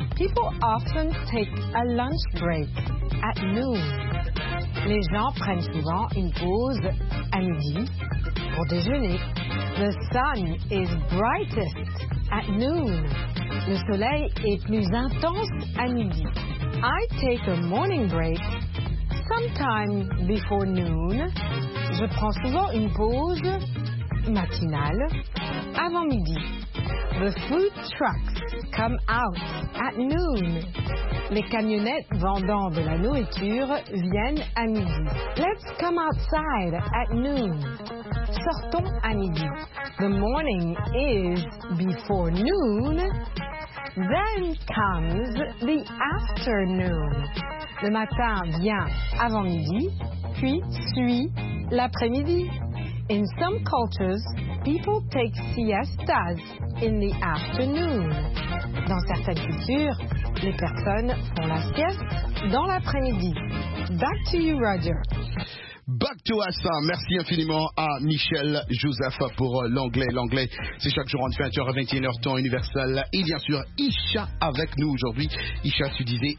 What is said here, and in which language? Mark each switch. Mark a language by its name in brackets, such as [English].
[English] People often take a lunch break at noon. [French] Les gens prennent souvent une pause à midi pour déjeuner. [English] The sun is brightest at noon. [French] Le soleil est plus intense à midi. [English] I take a morning break sometime before noon. [French] Je prends souvent une pause matinale avant midi. [English] The food trucks come out at noon. [French] Les camionnettes vendant de la nourriture viennent à midi. [English] Let's come outside at noon. [French] Sortons à midi. [English] The morning is before noon. Then comes the afternoon. [French] Le matin vient avant midi. puis suis l'après-midi. [English] In some cultures, people take siestas in the afternoon. [French] Dans certaines cultures, les personnes font la sieste dans l'après-midi. [English] Back to you, Roger. Back to us. [French] Merci infiniment à Michel Joseph pour l'anglais. L'anglais, c'est chaque jour entre 20h et 21h, temps universel. Et bien sûr, Isha avec nous aujourd'hui. Isha, tu disais...